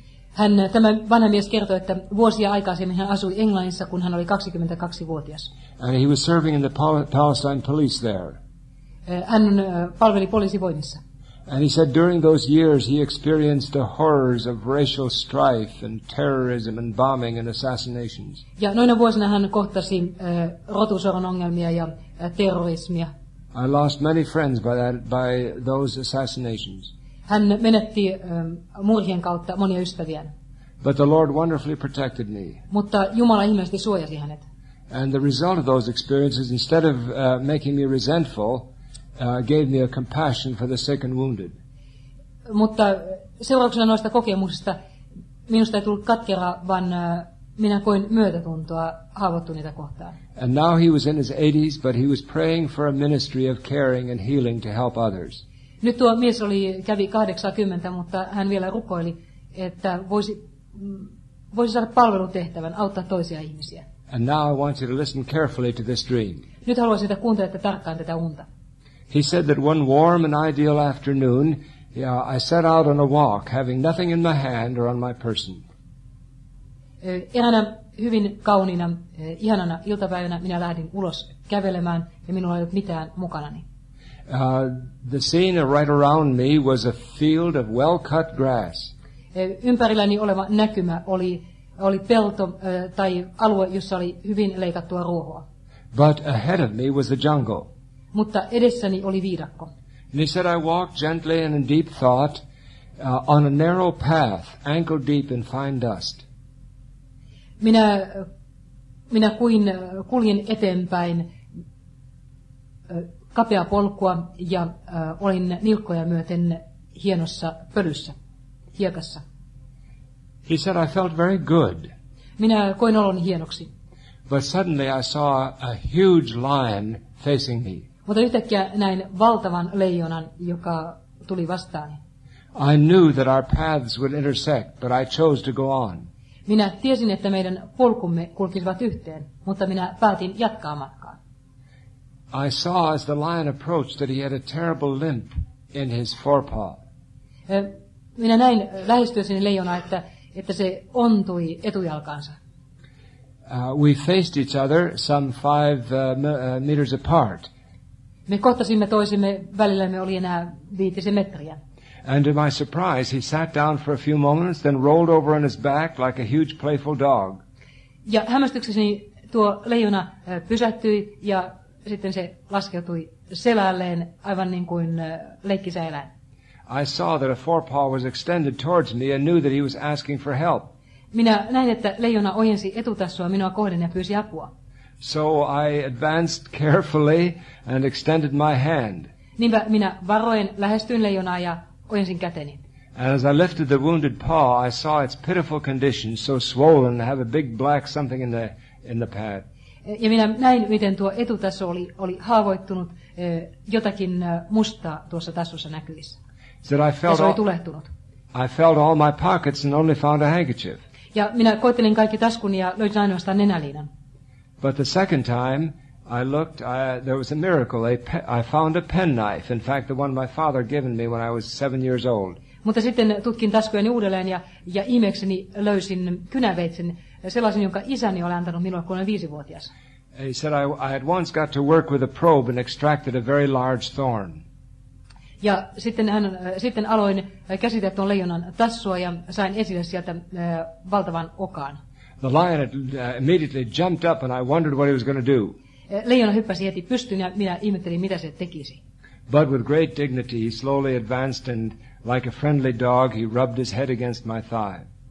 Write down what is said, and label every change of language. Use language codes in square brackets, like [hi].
[fi] Hän, tämä vanha mies kertoi, että vuosia aikaisemmin hän asui Englannissa, kun hän oli 22-vuotias. [en] And he was serving in the Palestine police there. [fi] Hän palveli poliisivoimissa. [en] And he said during those years he experienced the horrors of racial strife and terrorism and bombing and assassinations. [fi] Ja noina vuosina hän kohtasi rotusorron ongelmia ja terrorismia. [en] I lost many friends by those assassinations. [fi] Hän menetti murhien kautta monia ystäviään. [en] But the Lord wonderfully protected me. [fi] Mutta Jumala ihmeellisesti suojasi hänet. [en] And the result of those experiences, instead of making me resentful, gave me a compassion for the sick and wounded. [fi] Mutta seurauksena noista kokemuksista minusta ei tullut katkeraa, vaan minä koin myötätuntoa haavoittuneita kohtaan. [en] And now he was in his 80s, but he was praying for a ministry of caring and healing to help others. [fi] Nyt tuo mies kävi 80, mutta hän vielä rukoili, että voisi saada palvelutehtävän, auttaa toisia ihmisiä. [en] And now I want you to listen carefully to this dream. [fi] Nyt haluaisin, että kuuntelette tarkkaan tätä unta. [en] He said that one warm and ideal afternoon, I set out on a walk, having nothing in my hand or on my person. [fi] Eräänä hyvin kauniina, ihanana iltapäivänä minä lähdin ulos kävelemään, ja minulla ei ollut mitään mukanani. [en] The scene right around me was a field of well-cut grass. [fi] Ympärilläni oleva näkymä oli pelto tai alue, jossa oli hyvin leikattua ruohoa. [en] But ahead of me was the jungle. [fi] Mutta edessäni oli viidakko. [en] And he said I walked gently and in deep thought on a narrow path, ankle deep in fine dust. [fi] Minä kuljin eteenpäin kapea polkua ja olin nilkkoja myöten hienossa pölyssä, hiekassa. [en] He said I felt very good. [fi] Minä koin olon hienoksi. [en] But suddenly I saw a huge lion facing me. [fi] Mutta yhtäkkiä näin valtavan leijonan, joka tuli vastaani. [en] I knew that our paths would intersect, but I chose to go on. [fi] Minä tiesin, että meidän polkumme kulkisivat yhteen, mutta minä päätin jatkaa matkaa. [en] I saw as the lion approached that he had a terrible limp in his forepaw. [fi] Minä näin lähestyessäni leijonaa, että se ontui etujalkaansa. [en] We faced each other some 5 meters apart. [fi] Me kohtasimme toisimme, välillämme oli enää 5 metriä. [en] And to my surprise, he sat down for a few moments, then rolled over on his back like a huge playful dog. [fi] Ja hämmästykseni tuo leijona pysähtyi ja sitten se laskeutui selälleen aivan niin kuin leikkisä eläin. [en] I saw that a forepaw was extended towards me and knew that he was asking for help. [fi] Minä näin, että leijona ojensi etutassua minua kohden ja pyysi apua. [en] So I advanced carefully and extended my hand. [fi] Niinpä minä varoen lähestyin leijonaa ja ojensin käteni. [en] And as I lifted the wounded paw, I saw its pitiful condition, so swollen and have a big black something in the pad. [fi] Ja minä näin, miten tuo etutasso oli haavoittunut, jotakin mustaa tuossa tassussa näkyvissä. [en] Said I felt [fi] ja se oli tulehtunut. [en] I felt all my pockets and only found a handkerchief. [fi] Ja minä koettelin kaikki taskuni ja löysin ainoastaan nenäliinan. [en] But the second time I looked, there was a miracle. I found a penknife, in fact the one my father given me when I was 7 years old. [fi] Mutta sitten tutkin taskujeni uudelleen ja ihmeekseni löysin kynäveitsen, sellaisen, jonka isäni oli antanut minulle, kun olen 5-vuotias. [en] He said, I at once got to work with a probe and extracted a very large thorn. [fi] Ja sitten hän sitten aloin käsitellä tuon leijonan tassua ja sain esille sieltä valtavan okaan. [en] The lion had immediately jumped up and I wondered what he was going to do. [fi] Leijona hyppäsi heti pystyyn ja minä ihmettelin, mitä se tekisi. [en] But with great dignity he slowly advanced and like a friendly dog he rubbed his head against my thigh.